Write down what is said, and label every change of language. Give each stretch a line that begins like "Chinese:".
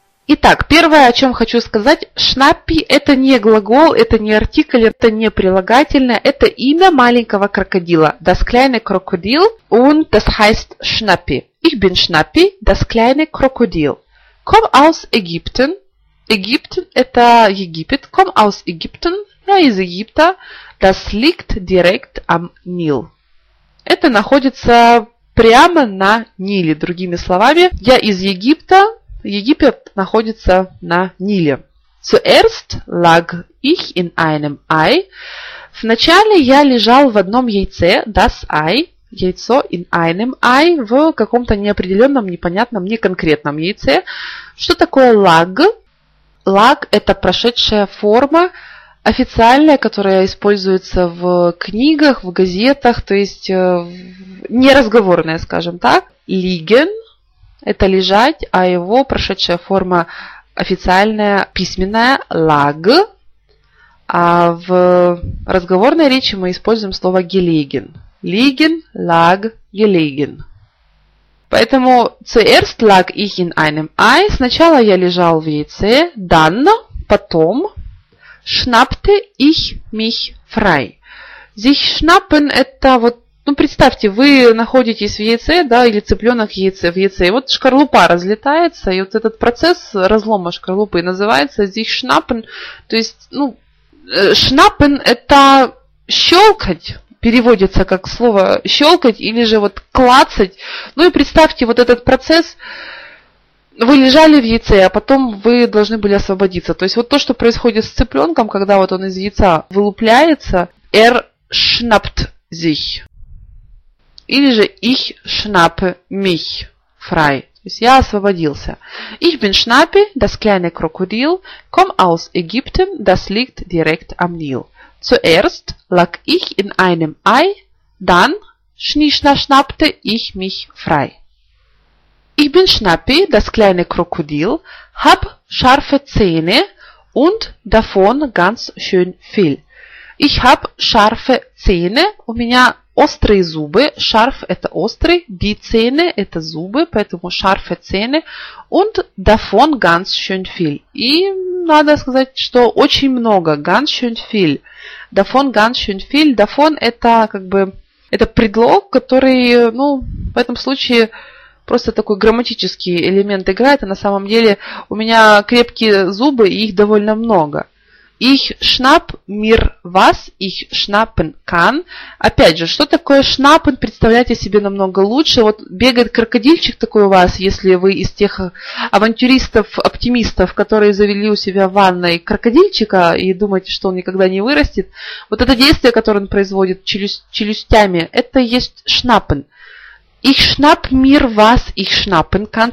Russian: Итак, первое, о чем хочу сказать, шнаппи – это не глагол, это не артикль, это не прилагательное, это имя маленького крокодила.
German: Das kleine Krokodil und das heißt Schnappi. Ich bin Schnappi, das kleine Krokodil. Komm aus Ägypten.
Russian: Ägypten – это Египет.
German: Komm aus Ägypten.
Russian: Я из Египта.
German: Das liegt direkt am Nil.
Russian: Это находится прямо на Ниле. Другими словами, я из Египта. Египет находится на Ниле.
German: Zuerst lag ich in einem Ei.
Russian: Вначале я лежал в одном яйце.
German: Das Ei.
Russian: Яйцо
German: in einem Ei.
Russian: В каком-то неопределенном, непонятном, неконкретном яйце. Что такое lag? Lag – это прошедшая форма. Официальная, которая используется в книгах, в газетах. То есть, неразговорная, скажем так.
German: Liegen.
Russian: Это лежать, а его прошедшая форма официальная, письменная, lag. А в разговорной речи мы используем слово gelegen.
German: Liegen, lag, gelegen.
Russian: Поэтому
German: zuerst lag ich in einem Ei.
Russian: Сначала я лежал в яйце.
German: Dann,
Russian: потом,
German: schnappte ich mich frei.
Russian: Sich schnappen – это вот... Ну, представьте, вы находитесь в яйце, да, или цыпленок в яйце, и вот шкарлупа разлетается, и вот этот процесс разлома шкарлупы называется sich schnappen. То есть, ну, schnappen – это щелкать, переводится как слово щелкать, или же вот клацать. Ну, и представьте, вот этот процесс, вы лежали в яйце, а потом вы должны были освободиться. То есть, вот то, что происходит с цыпленком, когда вот он из яйца вылупляется,
German: er schnappt sich.
Russian: Или же
German: ich schnappe mich frei.
Russian: То есть я освободился.
German: Ich bin Schnappi, das kleine Krokodil. Komm aus Ägypten, das liegt direkt am Nil. Zuerst lag ich in einem Ei, dann schnappte ich mich frei. Ich bin Schnappi, das kleine Krokodil. Hab scharfe Zähne und davon ganz schön viel. Ich hab scharfe Zähne.
Russian: У меня острые зубы. Scharf – это острый. Die Zähne – это зубы. Поэтому
German: scharfe Zähne. Und davon ganz schön viel.
Russian: И надо сказать, что очень много.
German: Ganz schön viel. Davon ganz schön viel.
Russian: Davon – это как бы это предлог, который, ну, в этом случае просто такой грамматический элемент играет. А на самом деле у меня крепкие зубы, и их довольно много.
German: Ich schnapp mir was, ich schnappen kann.
Russian: Опять же, что такое schnappen, представляете себе намного лучше. Вот бегает крокодильчик такой у вас, если вы из тех авантюристов-оптимистов, которые завели у себя в ванной крокодильчика и думаете, что он никогда не вырастет. Вот это действие, которое он производит челюстями, это есть schnappen.
German: Ich schnapp mir was, ich schnappen kann.